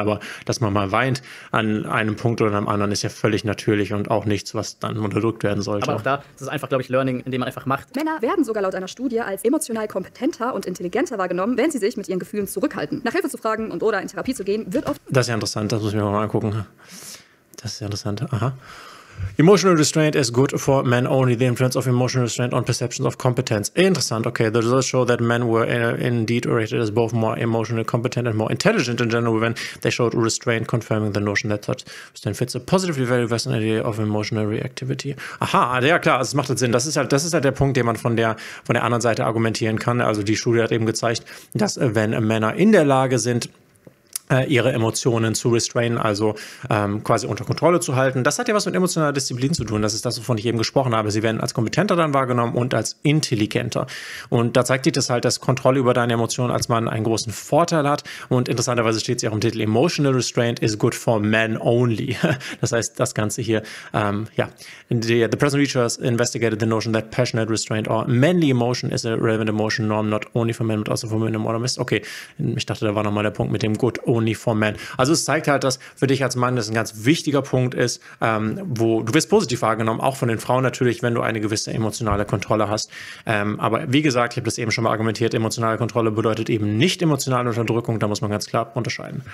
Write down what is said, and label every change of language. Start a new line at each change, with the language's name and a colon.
German: Aber dass man mal weint an einem Punkt oder einem anderen, ist ja völlig natürlich und auch nichts, was dann unterdrückt werden sollte. Aber auch da ist es einfach, glaube ich, Learning, indem man einfach macht. Männer werden sogar laut einer Studie als emotional kompetenter und intelligenter wahrgenommen, wenn sie sich mit ihren Gefühlen zurückhalten. Nach Hilfe zu fragen und oder in Therapie zu gehen, wird oft... Das ist ja interessant, das muss ich mir mal angucken. Das ist ja interessant, aha.
English: Emotional restraint is good for men only. The influence of emotional restraint on perceptions of competence.
German: Interessant, okay.
English: The results show that men were indeed rated as both more emotionally competent and more intelligent in general when they showed restraint, confirming the notion that such restraint fits a positively valued Western idea of emotional reactivity.
German: Aha, ja klar, also, das macht halt Sinn. Das ist halt der Punkt, den man von der anderen Seite argumentieren kann. Also die Studie hat eben gezeigt, dass wenn Männer in der Lage sind, ihre Emotionen zu restrainen, also quasi unter Kontrolle zu halten. Das hat ja was mit emotionaler Disziplin zu tun. Das ist das, wovon ich eben gesprochen habe. Sie werden als kompetenter dann wahrgenommen und als intelligenter. Und da zeigt sich das halt, dass Kontrolle über deine Emotionen als Mann einen großen Vorteil hat. Und interessanterweise steht es ja auch im Titel
English: Emotional Restraint is good for men only.
German: Das heißt, das Ganze hier,
English: The present researchers investigated the notion that passionate restraint or manly emotion is a relevant emotion norm not only for men, but also for women and modern mist.
German: Okay, ich dachte, da war nochmal der Punkt mit dem
English: good only for men.
German: Also es zeigt halt, dass für dich als Mann das ein ganz wichtiger Punkt ist, wo du wirst positiv wahrgenommen, auch von den Frauen natürlich, wenn du eine gewisse emotionale Kontrolle hast. Aber wie gesagt, ich habe das eben schon mal argumentiert, emotionale Kontrolle bedeutet eben nicht emotionale Unterdrückung, da muss man ganz klar unterscheiden.